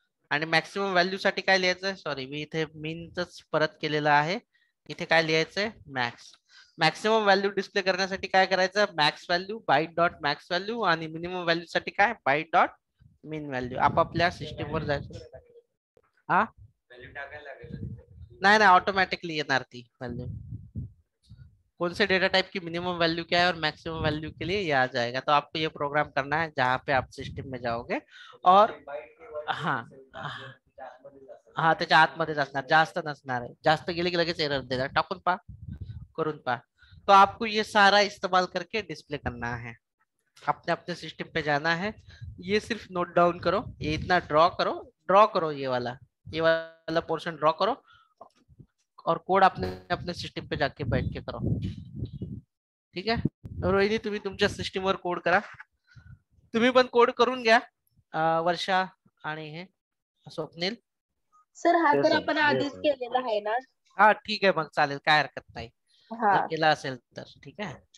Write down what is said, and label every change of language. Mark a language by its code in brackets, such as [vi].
[mr] आणि maximum value साठी काय लिहायचं? सॉरी, मी इथे मीनच परत केलेलं आहे. इथे काय लिहायचंय? मॅक्स. मॅक्सिमम व्हॅल्यू डिस्प्ले करण्यासाठी काय करायचं? Max value bite dot max value. आणि मिनिमम व्हॅल्यू साठी काय? बाईट डॉट मीन व्हॅल्यू. आपापल्या सिस्टीम वर जायचं. हा, व्हॅल्यू टाकायला लागेल? ऑटोमॅटिकली येणार ती व्हॅल्यू. [hi] कौन से डेटा टाइप की मिनिमम वैल्यू क्या है और मैक्सिमम वैल्यू के लिए यह आ जाएगा. तो आपको ये प्रोग्राम करना है जहाँ पे आप सिस्टम में जाओगे और हाँ हाँ [mr] आत मध्ये असणार, जास्त नसणार आहे. जास्त गेले की लगेच एरर देणार. टाकून पा, करून पा. [hi] तो आपको ये सारा इस्तेमाल करके डिस्प्ले करना है. अपने अपने सिस्टम पे जाना है. ये सिर्फ नोट डाउन करो, ये इतना ड्रॉ करो ये वाला पोर्शन ड्रॉ करो और कोड अपने अपने सिस्टम पे जाके बैठ के करो. ठीक है [mr] रोहिणी, तुम्ही तुमच्या सिस्टम वर कोड करा. तुम्ही पण कोड करून घ्या वर्षा आणि हे स्वप्नील सर. हा तर आपण आधीच केलेला आहे ना? हा ठीक आहे, मग चालेल, काय हरकत नाही. हा केला असेल तर ठीक आहे.